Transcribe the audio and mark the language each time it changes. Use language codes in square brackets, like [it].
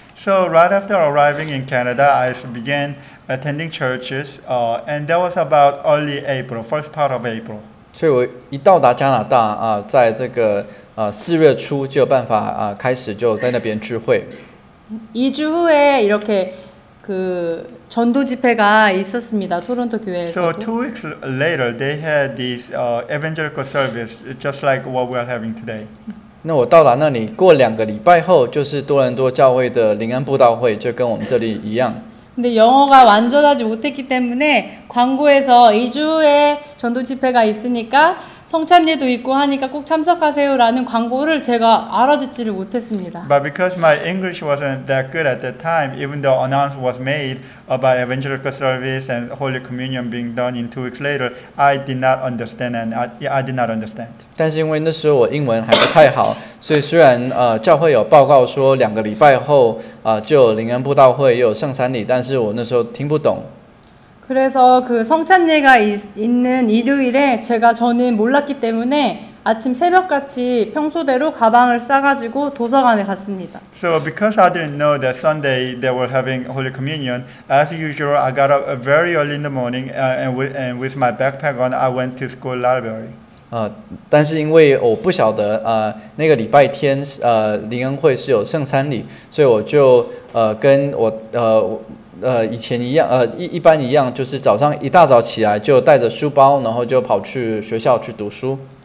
[en] So right after arriving in Canada, I began attending churches, and that was about early April, first part of April. [zh] 所以我一到达加拿大在这个四月初就有办法开始就在那边聚会。 [ko] 2주후에이렇게그전도집회가있었습니다토론토교회에서 [en] So two weeks later, they had this evangelical service, just like what we are having today. [zh] 那我到达那里过两个礼拜后，就是多伦多教会的灵恩布道会，就跟我们这里一样。 [ko] 근데영어가완전하지못했기때문에광고에서2주후에전도집회가있으니까성찬례도있고하니까꼭참석하세요라는광고를제가알아듣지를못했습니다 [en] But because my English wasn't that good at that time, even though announcement was made about evangelical service and Holy Communion being done in two weeks later, I did not understand and I did not understand. [zh] 但是因为那时候我英文还不太好，所以虽然教会有报告说两个礼拜后就有灵恩布道会，也有圣餐礼，但是我那时候听不懂。 [ko] 그래서그성찬례가 있는일요일에제가저는몰랐기때문에아침새벽같이평소대로가방을싸가지고도서관에갔습니다 [en] So because I didn't know that Sunday they were having Holy Communion, as usual, I got up very early in the morning and with my backpack on, I went to school library. [zh] 但是因为我不晓得那个礼拜天灵恩会是有圣餐礼，所以我就跟我以前一样一般一样，就是早上一大早起来就带着书包，然后就跑去学校去读书。